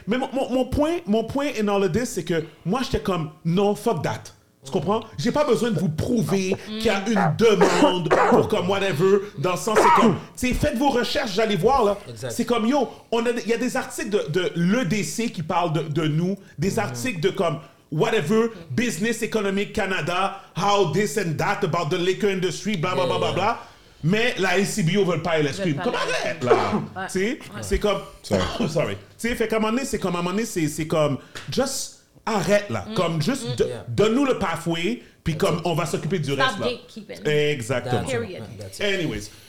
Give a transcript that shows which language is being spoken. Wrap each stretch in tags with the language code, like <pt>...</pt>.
<fr>Mais mon point</fr> <en>in all of this,</en> <fr>c'est que moi, j'étais comme non,</fr> <en>fuck that.</en> <fr>Tu comprends? J'ai pas besoin de vous prouver qu'il y a une demande pour comme whatever. Dans le sens, c'est comme, tu sais, faites vos recherches, j'allais voir là. Exact. C'est comme, yo, il y a des articles de l'EDC qui parlent de nous, des articles de comme.</fr> <en>Whatever, business, economic, Canada, how this and that about the liquor industry, blah, blah, blah, blah, blah.</en> <fr>Mais la SCBO veut pas aller à l'escrime. Comme arrête, là. Tu sais, c'est comme...</fr> <en>Sorry.</en> <fr>Tu sais, fait qu'à un moment donné, c'est comme... Just arrête, là. Comme juste, donne-nous le pathway, puis comme on va s'occuper du reste, là.</fr> <en>Stop gatekeeping.</en> <fr>Exactement.</fr> <en>Period. Anyways.</en>